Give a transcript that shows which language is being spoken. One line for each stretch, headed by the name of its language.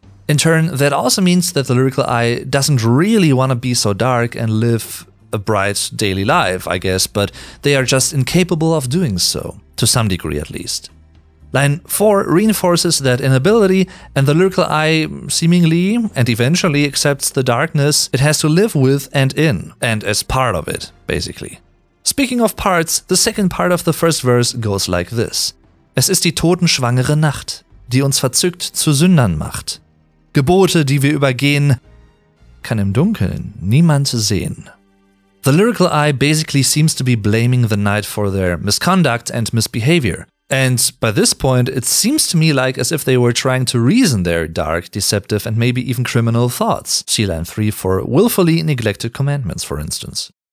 English: In turn, that also means that the lyrical I doesn't really want to be so dark and live a bright daily life, I guess, but they are just incapable of doing so, to some degree at least. Line 4 reinforces that inability, and the lyrical I seemingly and eventually accepts the darkness it has to live with and in, and as part of it, basically. Speaking of parts, the second part of the first verse goes like this.
German: Es ist die totenschwangere Nacht, die uns verzückt zu Sündern macht. Gebote, die wir übergehen, kann im Dunkeln niemand sehen.
English: The lyrical I basically seems to be blaming the night for their misconduct and misbehavior. And by this point, it seems to me like as if they were trying to reason their dark, deceptive, and maybe even criminal thoughts. See line 3 for willfully neglected commandments, for instance.